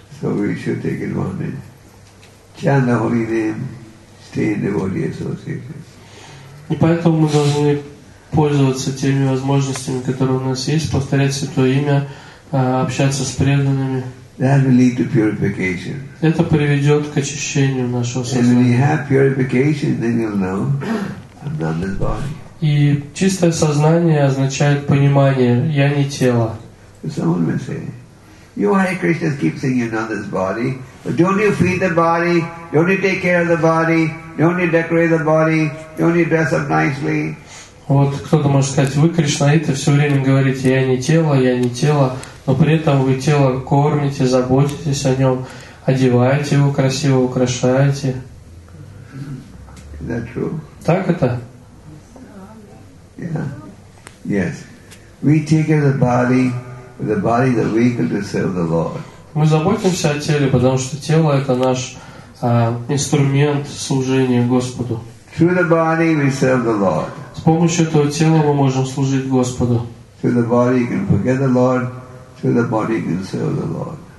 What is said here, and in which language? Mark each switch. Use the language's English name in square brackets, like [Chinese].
[English] So we should take advantage. Chant the holy name, stay in devotee association. [Russian] И поэтому мы должны пользоваться теми возможностями, которые у нас есть, повторять Святое Имя, общаться с преданными. [English] That will lead to purification. [Russian] Это приведет к очищению нашего сознания. [English] And when you have purification, then you'll know I'm not this body. [Russian] И чистое сознание означает понимание, я не тело. [English] Someone may say, "You Hare Krishnas keep saying you're not this body, but don't you feed the body? Don't you take care of the body? Don't you decorate the body? Don't you dress up nicely?" [Russian] Вот кто-то может сказать, вы Кришнаиты все время говорите, я не тело, но при этом вы тело кормите, заботитесь о нем, одеваете его красиво, украшаете. [English] Is that true? [Russian] Так это? [English] Yeah. Yes. We take care of the body. The body is a vehicle to serve the Lord. [Russian] Мы заботимся о теле, потому что тело это наш инструмент служения Господу. [English] Through the body we serve the Lord. [Russian] С помощью этого тела мы можем служить Господу. [English] Through the body you can forget the Lord. Through the body you can serve the Lord.